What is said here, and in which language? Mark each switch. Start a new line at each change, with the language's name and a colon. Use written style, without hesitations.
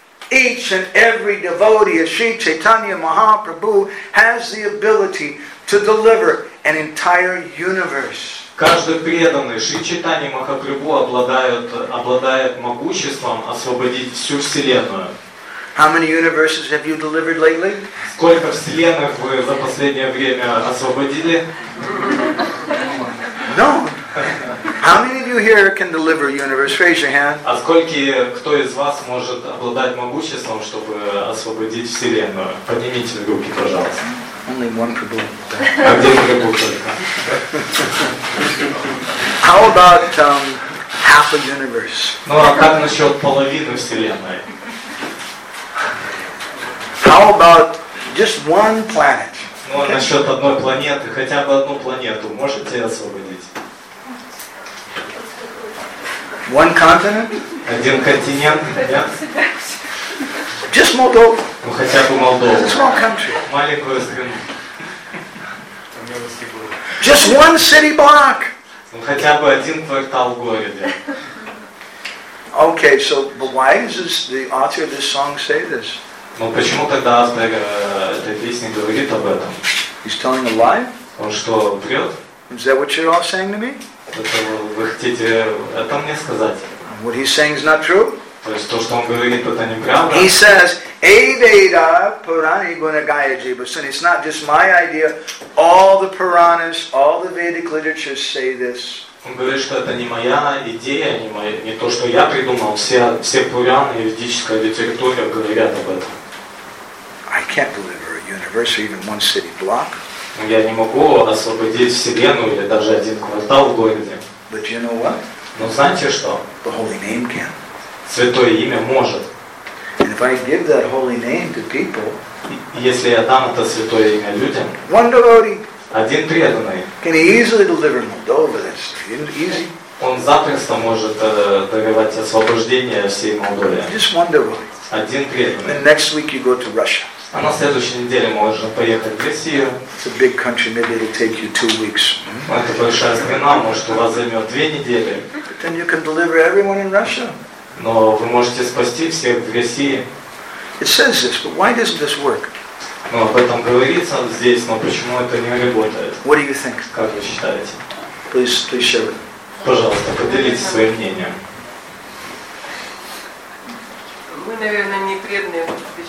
English: Each and every devotee of Sri Chaitanya Mahaprabhu has the ability to deliver an entire universe.
Russian: Каждый преданный Шри Чайтанья Махапрабху обладает могуществом освободить всю вселенную.
English: How many universes have you delivered lately?
Russian: Сколько вселенных вы за последнее время освободили?
English: No. How many of you here can deliver universe? Raise your hand.
Russian: А скольки кто из вас может обладать могуществом, чтобы освободить вселенную? Поднимите руки, пожалуйста.
English: Only one Prabhu.
Russian: Один Прабху только.
English: How about half a universe?
Russian: Ну а как насчет половины вселенной?
English: How about just one planet?
Russian: Ну а насчет одной планеты, хотя бы одну планету можете освободить?
English: One continent?
Russian: Один континент, да?
English: Just Moldova.
Russian: Ну хотя бы Молдова.
English: It's a small country.
Russian: Маленькую страну.
English: Just one city block.
Russian: Ну хотя бы один квартал в городе.
English: Okay, so but why does the author of this song say this?
Russian: Ну почему тогда автор этой песни говорит об этом?
English: He's telling a lie?
Russian: Он что, врет?
English: Is that what you're all saying to me?
Russian: Это вы хотите это мне сказать?
English: What he's saying is not true.
Russian: То есть то, что он говорит, это неправда.
English: He says, "Aveda Purani Gunagaya Jiva." So it's not just my idea. All the Puranas, all the Vedic literature say this.
Russian: Он говорит, что это не моя идея, не то, что я придумал. Все Пураны и ведическая литература говорят об этом.
English: I can't deliver a universe, even one city block.
Russian: Я не могу освободить вселенную или даже один квартал в городе.
English: But you know what?
Russian: Но знаете что?
English: The holy name can.
Russian: Святое имя может.
English: And if I give that holy name to people,
Russian: если я дам это святое имя людям,
English: one devotee,
Russian: один преданный,
English: can he easily deliver Moldova? That's easy.
Russian: Он запросто может даровать освобождение всей Молдове.
English: Just one devotee.
Russian: Один преданный.
English: And next week you go to Russia.
Russian: А на следующей неделе можно поехать в Россию.
English: It's a big country, maybe it'll take you 2 weeks.
Russian: Это большая страна, может, у вас займет 2 недели.
English: But then you can deliver everyone in Russia.
Russian: Но вы можете спасти всех в России.
English: It says this, but why doesn't this work?
Russian: Ну, об этом говорится здесь, но почему это не работает?
English: What do you think?
Russian: Как вы считаете?
English: Please share it.
Russian: Пожалуйста, поделитесь своим мнением. Мы, наверное, не преданные почитания.